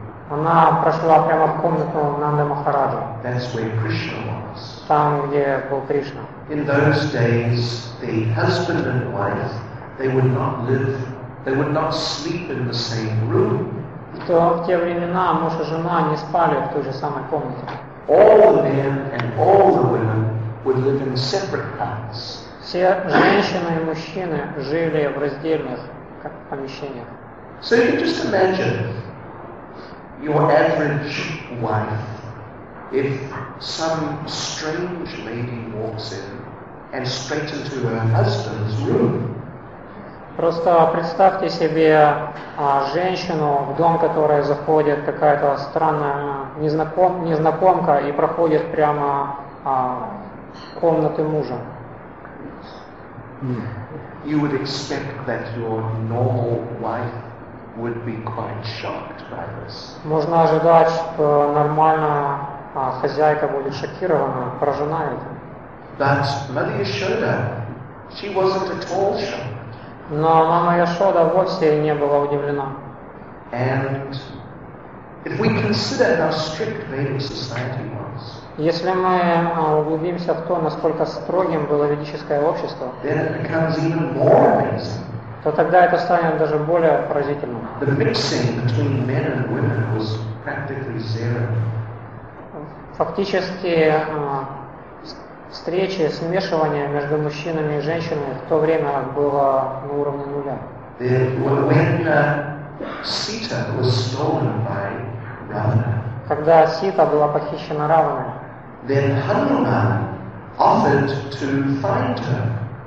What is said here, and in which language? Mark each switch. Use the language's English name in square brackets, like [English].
[Russian] Она прошла прямо в комнату Нанды Махараджа. [English] That's where Krishna was. [Russian] Там, где был Кришна. [English] In those days, the husband and wife, they would not sleep in the same room. [Russian] В те времена муж и жена не спали в той же самой комнате. [English] All the men and all the women would live in separate huts. [Russian] Все женщины и мужчины жили в раздельных помещениях. [English] So you just imagine. Your average wife, if some strange lady walks in and straight into her husband's room. [Russian] Просто представьте себе женщину, в дом которой заходит какая-то странная незнакомка и проходит прямо в комнату мужа. [English] You would expect that your normal wife would be quite shocked by this. [Russian] Можно ожидать, что нормальная хозяйка будет шокирована, поражена этим. [English] But Mother Yashoda, she wasn't at all shocked. [Russian] Но мама Яшода вовсе не была удивлена. [English] And if we consider how strict Vedic society was, [Russian] если мы углубимся в то, насколько строгим было ведическое общество, [English] then it becomes even more amazing. [Russian] То тогда это станет даже более поразительным. [English] The mixing between men and women was practically zero. [Russian] Фактически, встречи, смешивание между мужчинами и женщинами в то время было на уровне нуля. [English] When Sita was stolen by Ravana, [Russian] когда Сита была похищена Раваной, [English] then Hanuman offered to find her.